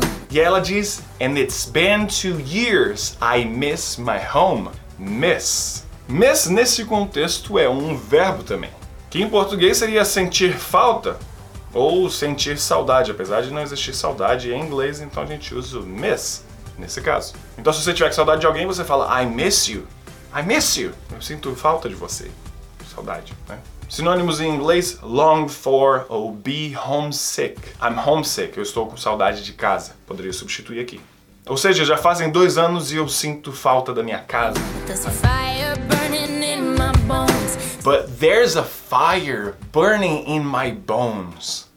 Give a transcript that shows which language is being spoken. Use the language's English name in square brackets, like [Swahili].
[English] E ela diz, and it's been 2 years I miss my home. Miss. [Portuguese] Miss nesse contexto é um verbo também, que em português seria sentir falta ou sentir saudade, apesar de não existir saudade em inglês, então a gente usa o miss nesse caso. Então se você tiver saudade de alguém, você fala [English] I miss you. I miss you. [Portuguese] Eu sinto falta de você. Saudade, né? Sinônimos em inglês, long for ou be homesick. [English] I'm homesick, [Portuguese] eu estou com saudade de casa. Poderia substituir aqui. Ou seja, já fazem 2 anos e eu sinto falta da minha casa. [English] There's a fire burning in my bones. But there's a fire burning in my bones.